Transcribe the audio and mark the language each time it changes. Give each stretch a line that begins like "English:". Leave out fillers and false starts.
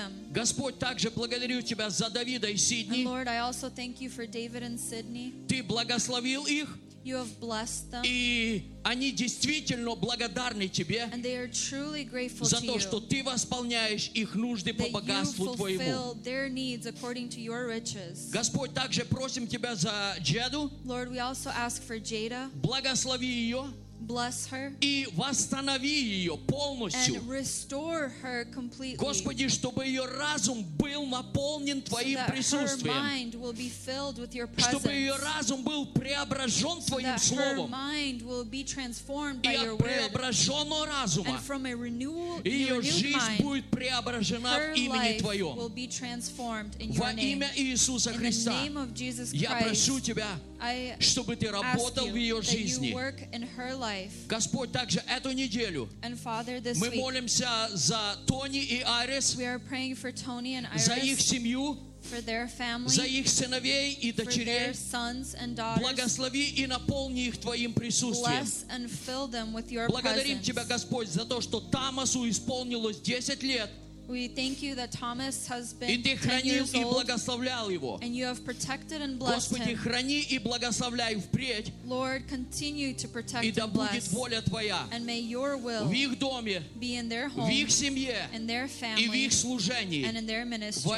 Russian: Господь, также благодарю Тебя за Давида и Сидни.
English: Lord, I also thank you for David and Sydney.
Russian: Ты благословил их.
English: You have blessed them.
Russian: И они действительно благодарны Тебе
English: and they are truly grateful
Russian: за то,
English: to you.
Russian: Что Ты восполняешь их нужды по
English: that
Russian: богатству
English: you fulfill
Russian: Твоему.
English: Their needs according to your riches.
Russian: Господь, также просим Тебя за Джеду.
English: Lord, we also ask for Jada.
Russian: Благослови ее.
English: bless her
Russian: и восстанови её полностью.
English: And restore her completely.
Russian: Господи, чтобы её разум был наполнен твоим присутствием.
English: Her mind will be filled with your presence.
Russian: Чтобы её разум был преображён твоим словом.
English: Her mind will be transformed by your word.
Russian: И от преображённого разума.
English: And from a renewal of your mind.
Russian: Её жизнь будет преображена в имени твоём.
English: Will be transformed in your name.
Russian: Во имя Иисуса Христа.
English: In the name of Jesus Christ.
Russian: Я прошу тебя, чтобы ты работал в её жизни. Господь, также эту неделю мы молимся за Тони и Айрис, за их семью, за их сыновей и дочерей. Благослови и наполни их Твоим присутствием. Благодарим Тебя, Господь, за то, что Томасу исполнилось 10 лет.
English: We thank you that Thomas has been 10 years old and you have protected and blessed him. Lord, continue to protect and bless. And may your will
Russian: доме,
English: be in their home,
Russian: семье,
English: in their family, and in their ministry.